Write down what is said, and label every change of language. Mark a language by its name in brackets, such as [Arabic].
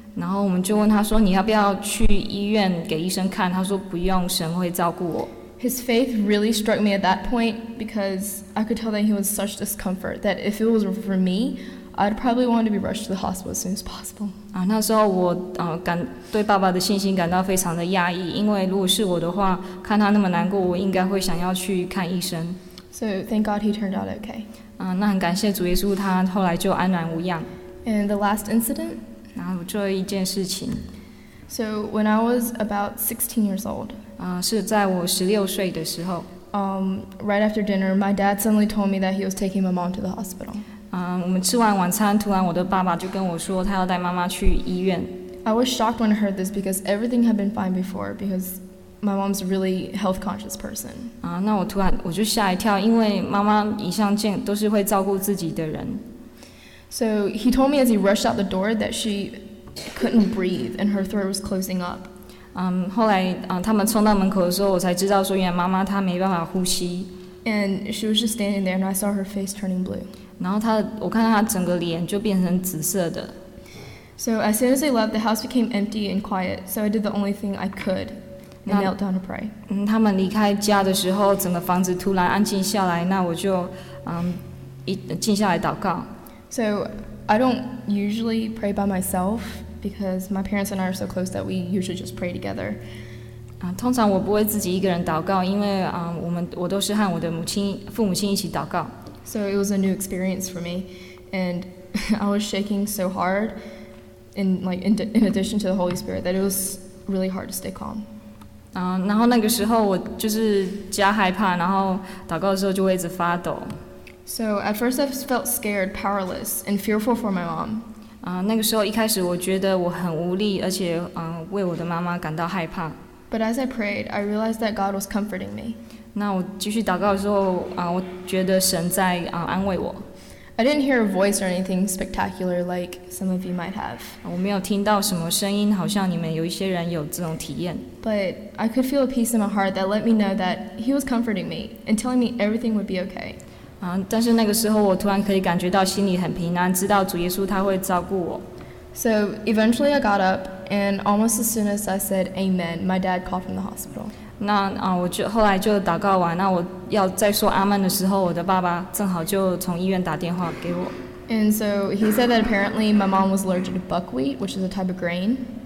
[Chinese] 然后我们就问他说：“你要不要去医院给医生看？” 他说：“不用，神会照顾我。” [English] His faith really struck me at that point because I could tell that he was such discomfort that if it was for me, I'd probably want to be rushed to the hospital as soon as possible. [Chinese] 那时候我对爸爸的信心感到非常的讶异，因为如果是我的话，看他那么难过，我应该会想要去看医生。 [English] So thank God he turned out okay. [Chinese] 那很感谢主耶稣，他后来就安然无恙。 [English] And the last incident. [Chinese] 然后做一件事情。 [English] So when I was about 16 years old, [Chinese] 是在我16岁的时候。 [English] Right after dinner, my dad suddenly told me that he was taking my mom to the hospital. [Chinese] 我们吃完晚餐，突然我的爸爸就跟我说，他要带妈妈去医院。 [English] I was shocked when I heard this because everything had been fine before, because my mom's really health conscious person. [Chinese] 啊，那我突然我就吓一跳，因为妈妈一向见都是会照顾自己的人。 [English] So he told me as he rushed out the door that she couldn't breathe and her throat was closing up. [Chinese] 后来他们冲到门口的时候，我才知道说原来妈妈她没办法呼吸。 [English] And she was just standing there, and I saw her face turning blue. [Chinese] 然后她，我看到她整个脸就变成紫色的。 [English] So as soon as they left, the house became empty and quiet. So I did the only thing I could. And knelt down to pray. [Chinese] 他们离开家的时候，整个房子突然安静下来。那我就，静下来祷告。 [English] So I don't usually pray by myself because my parents and I are so close that we usually just pray together. [Chinese] 通常我不会自己一个人祷告，因为我都是和我的父母亲一起祷告。 [English] So it was a new experience for me, and I was shaking so hard, in addition to the Holy Spirit, that it was really hard to stay calm. [Chinese] 然后那个时候我就是加害怕，然后祷告的时候就会一直发抖。 [English] So at first I felt scared, powerless, and fearful for my mom. [Chinese] 那个时候一开始我觉得我很无力，而且为我的妈妈感到害怕。 [English] But as I prayed, I realized that God was comforting me. [Chinese] 那我继续祷告的时候我觉得神在安慰我。 [English] I didn't hear a voice or anything spectacular like some of you might have. [Chinese] 我没有听到什么声音，好像你们有一些人有这种体验。 [English] But I could feel a peace in my heart that let me know that he was comforting me and telling me everything would be okay. [Chinese] 但是那个时候我突然可以感觉到心里很平安，知道主耶稣他会照顾我。 [English] So eventually I got up, and almost as soon as I said amen, my dad called from the hospital. [Chinese] 那我就后来就祷告完，那我要再说阿们的时候，我的爸爸正好就从医院打电话给我。 [English] And so he said that apparently my mom was allergic to buckwheat, which is a type of grain.